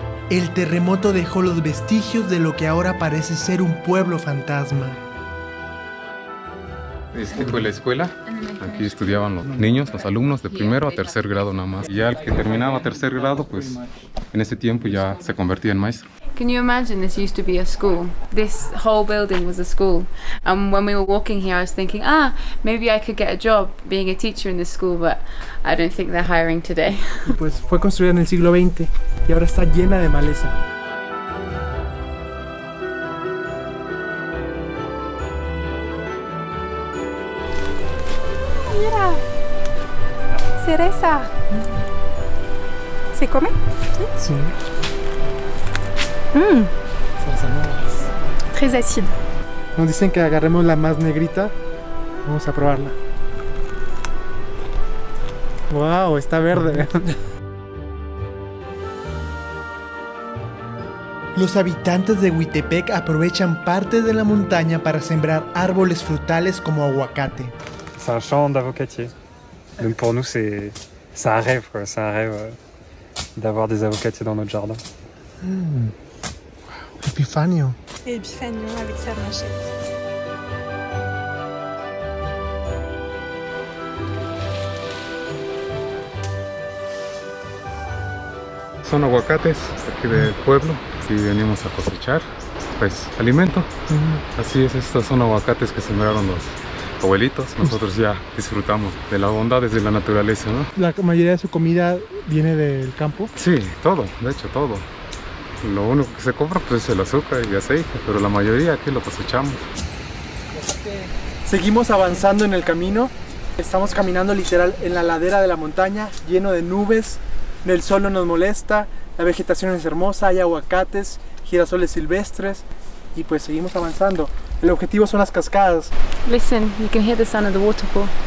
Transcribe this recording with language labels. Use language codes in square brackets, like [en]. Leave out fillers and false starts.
[es] El terremoto dejó los vestigios de lo que ahora parece ser un pueblo fantasma. Este fue la escuela. Aquí estudiaban los niños, los alumnos de primero a tercer grado nada más. Y ya el que terminaba tercer grado, pues en ese tiempo ya se convertía en maestro. [en] Can you imagine this used to be a school? This whole building was a school. And when we were walking here, I was thinking, ah, maybe I could get a job being a teacher in this school, but I don't think they're hiring today. [es] Pues fue construida en el siglo XX y ahora está llena de maleza. Mira, cereza. ¿Se come? Sí. [fr] Très acide. [es] Nos dicen que agarremos la más negrita. Vamos a probarla. [en] Wow, [es] está verde. Los habitantes de Huitepec aprovechan parte de la montaña para sembrar árboles frutales como aguacate. [fr] C'est un champ d'avocatier. Donc pour nous c'est un rêve quoi, c'est un rêve d'avoir des avocatiers dans notre jardin. Epifanio. Epifanio avec sa manchette. [es] Son aguacates aquí del pueblo. Si venimos a cosechar, pues alimento. Uh-huh. Así es, estos son aguacates que sembraron los abuelitos. Nosotros ya disfrutamos de la bondad desde la naturaleza, ¿no? La mayoría de su comida viene del campo. Sí, todo, de hecho todo. Lo único que se compra pues es el azúcar y aceite, pero la mayoría aquí lo cosechamos. Seguimos avanzando en el camino. Estamos caminando literal en la ladera de la montaña, lleno de nubes. El sol no nos molesta, la vegetación es hermosa, hay aguacates, girasoles silvestres. Y pues seguimos avanzando. El objetivo son las cascadas. [en] Listen, you can hear the sound of the waterfall.